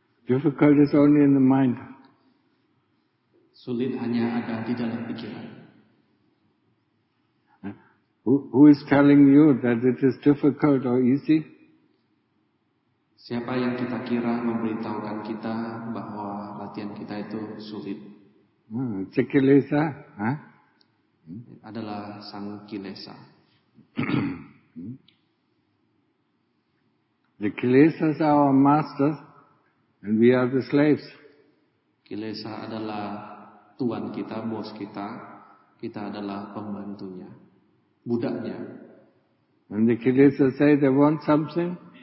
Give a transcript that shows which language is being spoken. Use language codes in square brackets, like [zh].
[en] Difficult is only in the mind. [id] Sulit hanya ada di dalam pikiran. [en] Who is telling you that it is difficult or easy? [id] Siapa yang kita kira memberitahukan kita bahwa latihan kita itu sulit? Cikilesa, Adalah sang kilesa. [en] The kilesa is our master, and we are the slaves. [id] Kilesa adalah tuan kita, bos kita. Kita adalah pembantunya, budaknya. [en] When the kilesa say they want something.